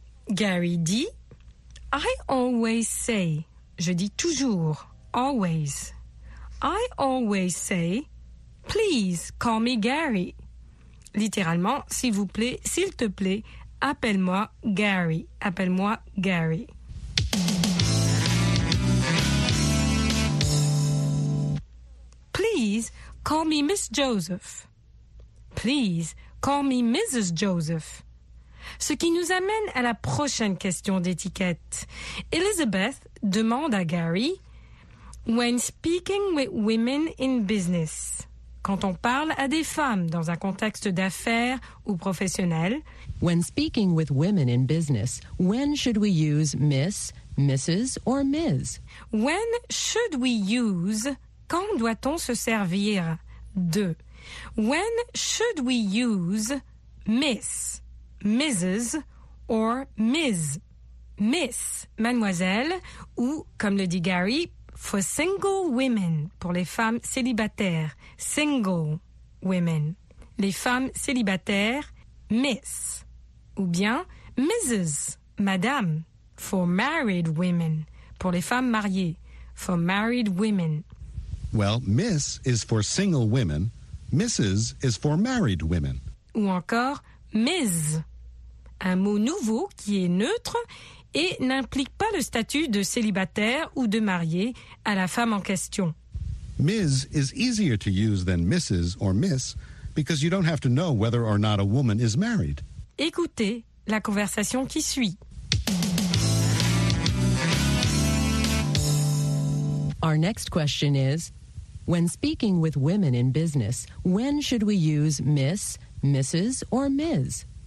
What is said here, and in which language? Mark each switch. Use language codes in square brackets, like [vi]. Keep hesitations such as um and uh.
[en] Gary dit I always say. [fr] Je dis toujours always. [en] I always say Please call me Gary. [fr] Littéralement, s'il vous plaît, s'il te plaît, appelle-moi Gary. Appelle-moi Gary. [en] Please call me Miss Joseph. Please call me Mrs. Joseph. [fr] Ce qui nous amène à la prochaine question d'étiquette. [en] Elizabeth [fr] demande à [en] Gary When speaking with women in business. [fr] Quand on parle à des femmes dans un contexte d'affaires ou professionnel, [en] When speaking with women in business, when should we use Miss, Mrs., or Ms.? When should we use? [fr] Quand doit-on se servir de? [en] When should we use Miss, Mrs. [fr] or Ms. Miss, mademoiselle, ou, comme le dit Gary, [en] for single women, [fr] pour les femmes célibataires, [en] single women, [fr] les femmes célibataires, Miss, ou bien Mrs., madame, [en] for married women, [fr] pour les femmes mariées, for married women. [en] Well, Miss is for single women, Mrs. is for married women. [fr] ou encore Ms. Un mot nouveau qui est neutre et n'implique pas le statut de célibataire ou de marié à la femme en question. [en] Ms. is easier to use than Mrs. or Miss because you don't have to know whether or not a woman is married. [fr] Écoutez la conversation qui suit. [en] Our next question is When speaking with women in business, when should we use Miss, Mrs., or Ms.?